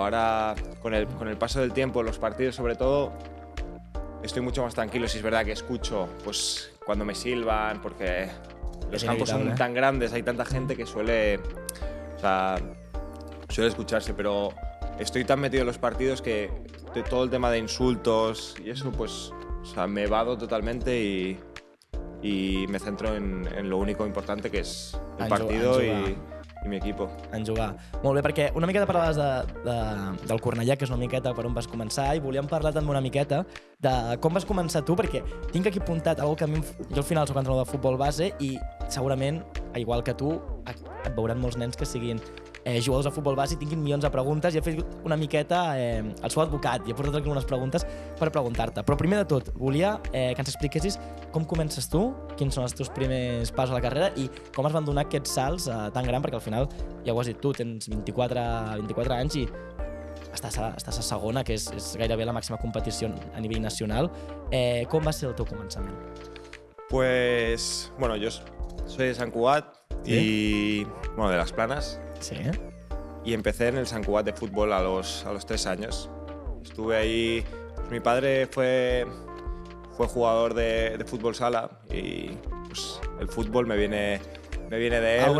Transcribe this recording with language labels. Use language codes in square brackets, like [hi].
[es] Ahora, con el paso del tiempo, los partidos sobre todo, estoy mucho más tranquilo, si es verdad que escucho pues cuando me silban, porque los campos son tan grandes, hay tanta gente que suele escucharse, pero estoy tan metido en los partidos que de todo el tema de insultos y eso, pues, o sea, me vado totalmente y me centro en lo único importante, que es el partido i mi equipo. En jugar. [ca] Molt bé, perquè una miqueta parlaves del Cornellà, que és una miqueta per on vas començar, i volíem parlar també una miqueta de com vas començar tu, perquè tinc aquí apuntat algo que a mi... Jo al final soc entrenador de futbol base i segurament, igual que tu, et veuran molts nens que siguin jugadors de futbol base tinguin milions de preguntes i he fet una miqueta el seu advocat i he portat algunes preguntes per preguntar-te. Però primer de tot, volia que ens expliquessis com comences tu, quins són els teus primers passos a la carrera i com es van donar aquests salts tan gran, perquè al final, ja ho has dit tu, tens 24 anys i estàs a segona, que és gairebé la màxima competició a nivell nacional. Com va ser el teu començament? [es] Pues, bueno, yo soy de Sant Cugat, sí. Y, bueno, de Las Planas. Sí. Y empecé en el Sant Cugat de fútbol a los 3 años. Estuve ahí, pues, mi padre fue jugador de fútbol sala y pues, el fútbol me viene de él.